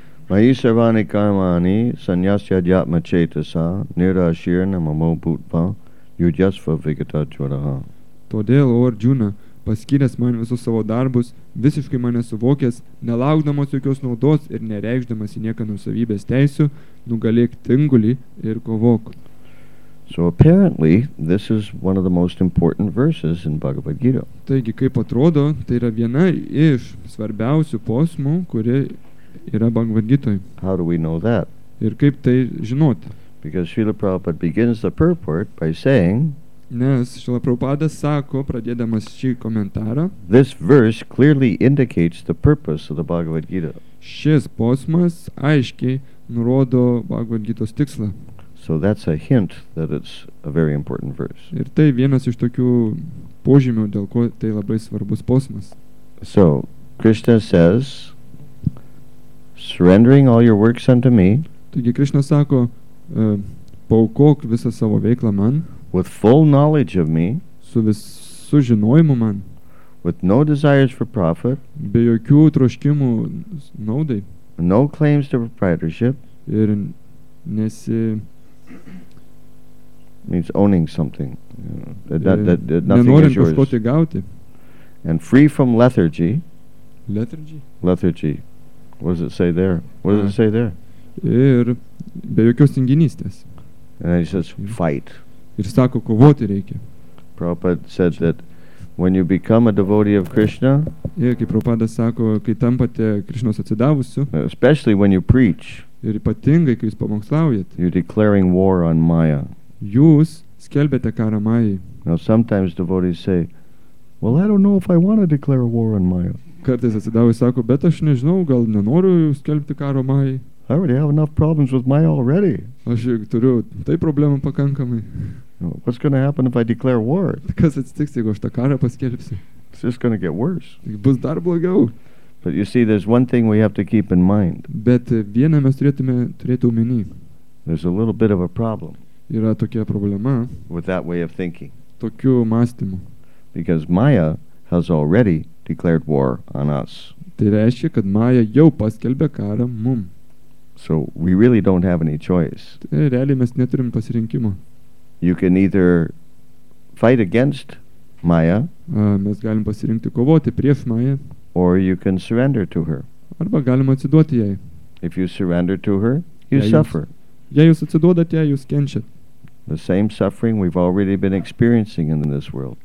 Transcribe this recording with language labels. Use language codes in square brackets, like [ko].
[sa] Mai sarvani kamani sanyasya dhyatma chetasa nira shirna mamo bhutva yujasva vigata jvaraha. [lt] Todėl, o Arjuna, paskyręs man visus savo darbus, visiškai mane suvokęs, nelaukdamas jokios naudos ir nereikšdamas į nieką nusavybės teisių, nugalėk tingulį ir kovok. [en] So apparently, this is one of the most important verses in Bhagavad Gita. [lt] Taigi, kaip atrodo, tai yra viena iš svarbiausių posmų, kuri yra Bhagavad Gitoje. [en] How do we know that? [lt] Ir kaip tai žinoti? [en] Because Srila Prabhupada begins the purport by saying, [lt] nes Srila Prabhupada sako, pradėdamas šį komentarą, [en] this verse clearly indicates the purpose of the Bhagavad Gita. [lt] Šis posmas aiškiai nurodo Bhagavad Gitos tikslą. [en] So that's a hint that it's a very important verse. [lt] Ir tai vienas iš tokių požymių, dėl ko tai labai svarbus posmas. [en] So, Krishna says, surrendering all your works unto me, [lt] taigi Krishna sako, paukok visą savo veiklą man, [en] with full knowledge of me, [lt] su visu žinojimu man, [en] with no desires for profit, [lt] be jokių troškimų naudai, [en] no claims to proprietorship, [lt] ir nesi [en] means owning something, that nothing is yours, and free from lethargy. Lethargy. What does it say there? [lt] Ir be jokios tinginystės. [en] And then he says, fight. [lt] Ir sako, kovoti reikia. [en] Prabhupada said that when you become a devotee of Krishna, [lt] ir kaip Prabhupada sako, kai tampate Krishnos atsidavusiu, [en] especially when you preach, [lt] ir ypatingai, kai jūs pamokslaujat, [en] you're declaring war on Maya. [lt] Jūs skelbėte karą Mayai. [en] Now sometimes devotees say, well, I don't know if I want to declare a war on Maya. [lt] Kartais atsidavus sako, bet aš nežinau, gal nenoriu skelbti karo Mayai. [en] I already have enough problems with Maya already. [lt] Aš turiu tai problemų pakankamai. [en] What's going to happen if I declare war? [lt] Kas atsitiks, jeigu aš tą karą paskelbsiu? [en] It's just going to get worse. [lt] Bus dar blogiau. [en] But you see, there's one thing we have to keep in mind. [lt] Bet vieną mes turėtume turėti omeny. [en] There's a little bit of a problem. [lt] Yra tokia problema. [en] With that way of thinking. [lt] Tokiu mąstymu. [en] Because Maya has already declared war on us. [lt] Tai reiškia, kad Maya jau paskelbė karą mum. [en] So we really don't have any choice. [lt] Tai realiai mes neturim pasirinkimo. [en] You can either fight against Maya. [lt] Mes galim pasirinkti kovoti prieš Maya. [en] Or you can surrender to her. [lt] Arba galima atsiduoti jai. [en] If you surrender to her, you suffer. [lt] Jei jūs atsiduodat jai, jūs kenčiat. [en] The same suffering we've already been experiencing in this world.